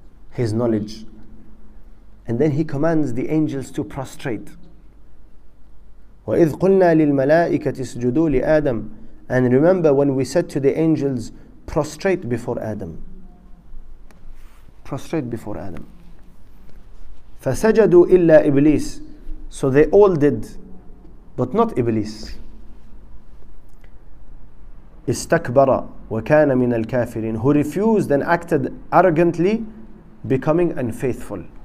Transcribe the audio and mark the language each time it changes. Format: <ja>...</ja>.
<en>His knowledge. And then he commands the angels to prostrate.</en> <ar>وَإِذْ قُلْنَا لِلْمَلَائِكَةِ اسْجُدُوا لِآدَمَ.</ar> <en>And remember when we said to the angels, prostrate before Adam. Prostrate before Adam.</en> <ar>فَسَجَدُوا إِلَّا Iblis.</ar> <en>So they all did, but not Iblis.</en> <ar>اسْتَكْبَرَ وَكَانَ مِنَ الْكَافِرِينَ.</ar> <en>Who refused and acted arrogantly, becoming unfaithful.</en>